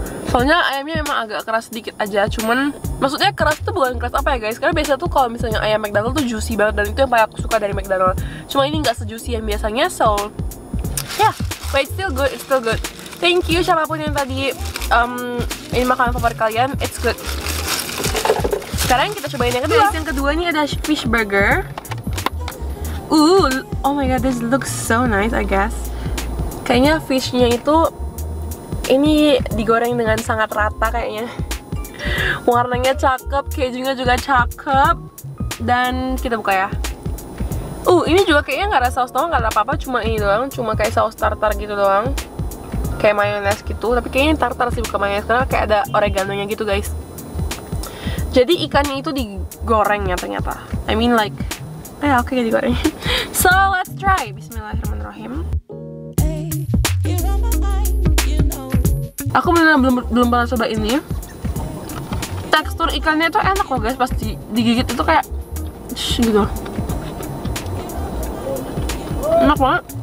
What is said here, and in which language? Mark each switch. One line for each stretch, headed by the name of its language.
Indonesian: Soalnya ayamnya memang agak keras sedikit aja, cuman maksudnya keras tuh bukan keras apa ya guys, karena biasa tuh kalau misalnya ayam McDonald tuh juicy banget, dan itu yang paling aku suka dari McDonald. Cuma ini nggak sejuicy yang biasanya,
English: so yeah, but it's still good, it's still good. Thank you
Indonesian: siapapun yang tadi ini makanan favorit kalian,
English: it's good.
Indonesian: Sekarang kita cobain yang kedua. Yang kedua ini ada fish burger.
English: Ooh, oh my god, this looks so nice. I guess
Indonesian: kayaknya fishnya itu ini digoreng dengan sangat rata kayaknya. Warnanya cakep, kejunya juga cakep. Dan kita buka ya. Ini juga kayaknya gak ada saus doang, gak ada apa-apa. Cuma ini doang, cuma kayak saus tartar gitu doang. Kayak mayones gitu, tapi kayaknya tartar sih bukan mayones. Karena kayak ada oregano-nya gitu guys. Jadi ikannya itu digoreng ya ternyata.
English: I mean like,
Indonesian: ya oke digoreng.
English: So let's try, bismillahirrahmanirrahim.
Indonesian: Aku benar-benar belum pernah coba ini. Tekstur ikannya tuh enak loh guys, pas digigit itu kayak shh, gitu. Enak banget.